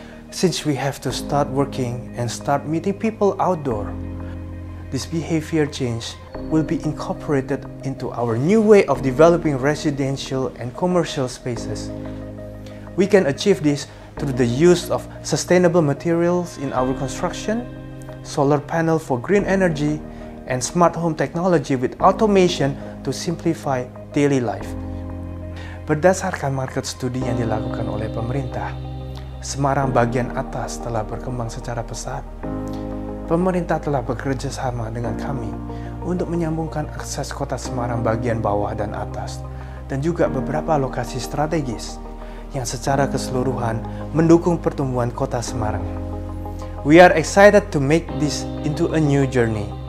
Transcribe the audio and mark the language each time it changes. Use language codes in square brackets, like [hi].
[en] Since we have to start working and start meeting people outdoor, this behavior change will be incorporated into our new way of developing residential and commercial spaces. We can achieve this through the use of sustainable materials in our construction, solar panel for green energy, and smart home technology with automation to simplify daily life. [id] Berdasarkan market study yang dilakukan oleh pemerintah, Semarang bagian atas telah berkembang secara pesat. Pemerintah telah bekerja sama dengan kami untuk menyambungkan akses kota Semarang bagian bawah dan atas, dan juga beberapa lokasi strategis yang secara keseluruhan mendukung pertumbuhan kota Semarang. [en] We are excited to make this into a new journey.